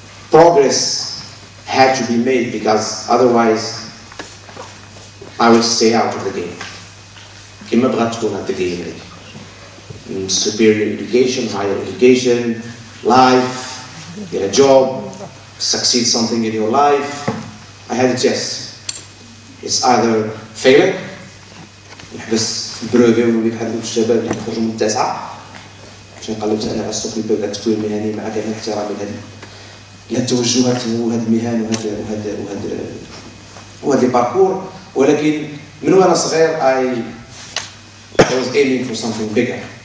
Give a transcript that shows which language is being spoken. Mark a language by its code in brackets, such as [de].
[en] Progress had to be made, because otherwise I would stay out of the game. [ar] كما بغات تكون هاد الجيم هادي. [en] Superior education, higher education, life, get a job, succeed something in your life. I had a test. It's either failing, [ar] نحبس بروفي ونولي بحال دوك الشباب اللي كيخرجوا من التاسعة باش نقلب على السوق اللي بغا تكون مهني مع كامل احترامي لهاد التوجهات وهاد المهن وهاد وهاد وهاد وهاد الباركور. ولكن من وانا صغير [en] I was aiming for something bigger.